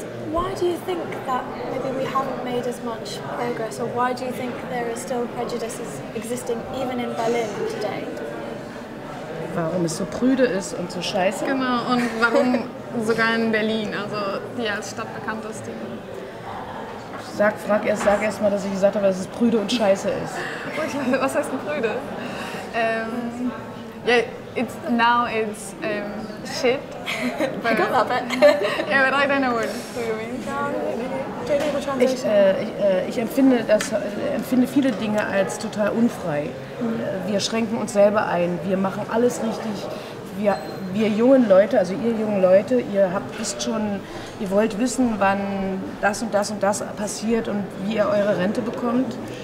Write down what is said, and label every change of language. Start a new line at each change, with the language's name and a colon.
English: Why do you think that maybe we haven't made as much progress, or why do you think there are still prejudices existing even in Berlin today?
German: Warum es so prüde ist und so scheiße? Genau, und warum sogar in Berlin, also die als Stadt bekannt ist. Sag erst mal, dass ich gesagt habe, dass es prüde und scheiße ist. Was heißt denn prüde?
English: Yeah, it's now it's shit. But, I got that bit. Yeah, but I don't know what prüde means.
German: Ich empfinde viele Dinge als total unfrei. Wir schränken uns selber ein, wir machen alles richtig. Wir jungen Leute, also ihr jungen Leute, ihr wollt wissen, wann das und das und das passiert und wie ihr eure Rente bekommt.